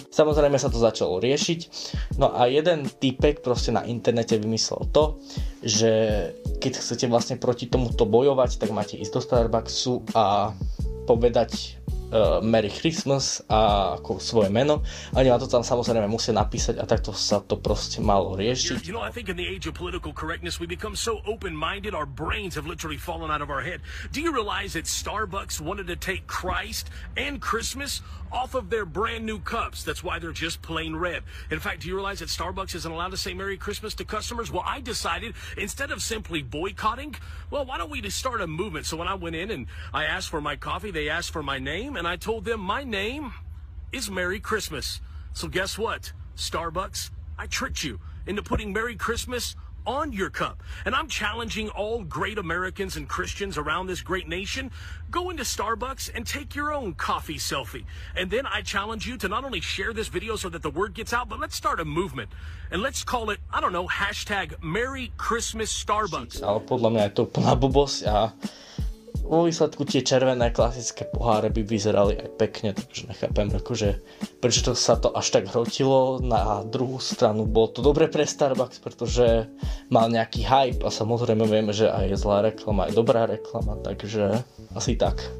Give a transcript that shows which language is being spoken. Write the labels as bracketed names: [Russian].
[Slovak] Samozrejme sa to začalo riešiť. No a jeden typek proste na internete vymyslel to, že keď chcete vlastne proti tomuto bojovať, tak máte ísť do Starbucksu a povedať Merry Christmas a ako svoje meno, a oni ma to tam samozrejme musia napísať, a takto sa to proste malo riešiť. [English] You know, I think in the age of political correctness we become so open-minded our brains have literally fallen out of our head. Do you realize that Starbucks wanted to take Christ and Christmas off of their brand new cups? That's why they're just plain red. In fact, do you realize that Starbucks isn't allowed to say Merry Christmas to customers? Well, I decided, instead of simply boycotting, well, why don't we just start a movement? So when I went in and I asked for my coffee, they asked for my name, and I told them my name is Merry Christmas. So guess what, Starbucks? I tricked you into putting Merry Christmas on your cup. And I'm challenging all great Americans and Christians around this great nation, go into Starbucks and take your own coffee selfie. And then I challenge you to not only share this video so that the word gets out, but let's start a movement. And let's call it, I don't know, hashtag Merry Christmas Starbucks. [Slovak] Ale podľa mňa je to úplná blbosť, a vo výsledku tie červené klasické poháre by vyzerali aj pekne, takže nechápem, akože prečo to sa to až tak hrotilo. Na druhú stranu bolo to dobre pre Starbucks, pretože mal nejaký hype, a samozrejme vieme, že aj zlá reklama je dobrá reklama, takže asi tak.